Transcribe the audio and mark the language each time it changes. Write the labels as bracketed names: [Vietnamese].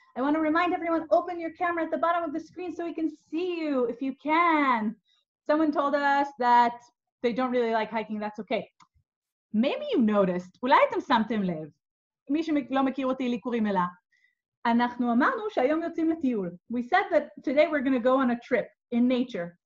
[English] I want to remind everyone, open your camera at the bottom of the screen so we can see you, if you can. Someone told us that they don't really like hiking, that's okay. Maybe you noticed, [Hebrew] אולי אתם שמתם לב, מי שלא מכיר אותי לי קוראים אלה, אנחנו אמרנו שהיום יוצאים לטיול. [English] We said that today we're going to go on a trip in nature.